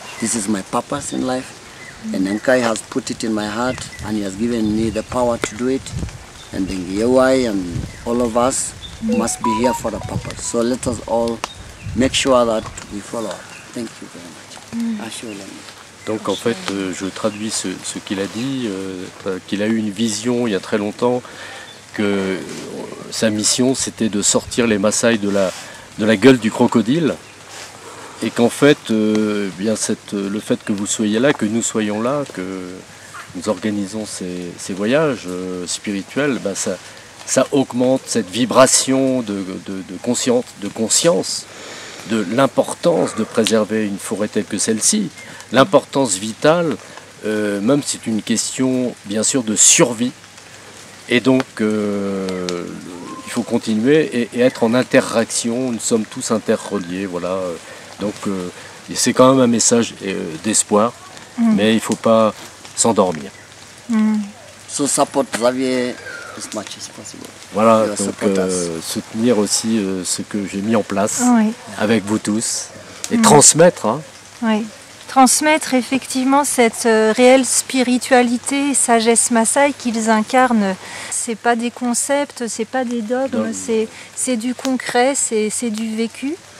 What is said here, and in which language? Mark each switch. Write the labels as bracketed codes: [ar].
[en] This is my purpose in life, and Enkai has put it in my heart, and he has given me the power to do it, and the Ngiyewai and all of us must be here for a purpose. So let us all make sure that we follow. Thank you very much. [fr] Donc en fait, je traduis ce qu'il a dit, qu'il a eu une vision il y a très longtemps, que sa mission c'était de sortir les Maasai de la gueule du crocodile. Et qu'en fait, bien le fait que vous soyez là, que nous soyons là, que nous organisons ces voyages spirituels, ben ça augmente cette vibration de conscience de l'importance de préserver une forêt telle que celle-ci, l'importance vitale, même si c'est une question, bien sûr, de survie. Et donc, il faut continuer et être en interaction. Nous sommes tous interreliés, voilà. Donc, c'est quand même un message d'espoir, mais il ne faut pas s'endormir. [en] So support Xavier as much as possible. [fr] Voilà, donc soutenir aussi ce que j'ai mis en place avec vous tous et transmettre. Oui, transmettre effectivement cette réelle spiritualité et sagesse Maasai qu'ils incarnent. Ce n'est pas des concepts, ce n'est pas des dogmes, c'est du concret, c'est du vécu.